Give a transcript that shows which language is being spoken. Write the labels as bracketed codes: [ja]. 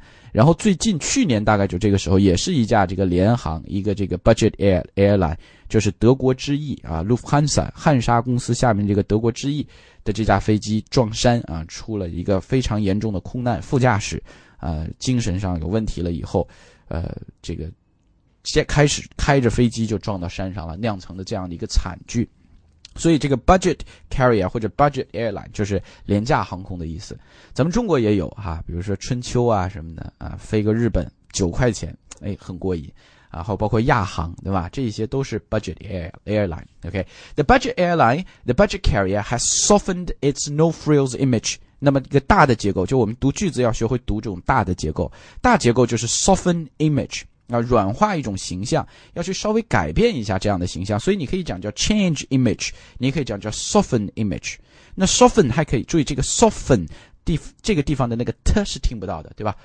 [zh] 然后最近去年大概就这个时候也是一架这个联航一个这个 budget airline, 就是德国之翼啊 ,Lufthansa, 汉莎公司下面这个德国之翼的这架飞机撞山啊，出了一个非常严重的空难，副驾驶精神上有问题了以后这个开始开着飞机就撞到山上了，酿成的这样的一个惨剧。所以这个 budget carrier 或者 budget airline 就是廉价航空的意思。咱们中国也有哈，比如说春秋啊什么的啊，飞个日本9块钱，哎，很过瘾。然后包括亚航，对吧？这些都是 budget airline. [en] Okay, the budget airline, the budget carrier has softened its no-frills image. [zh] 那么一个大的结构，就我们读句子要学会读这种大的结构。大结构就是 soften image. 要软化一种形象，要去稍微改变一下这样的形象，所以你可以讲叫 change image, 你可以讲叫 soften image。那 soften 还可以注意这个 soften 这个地方的那个 t 是听不到的，对吧？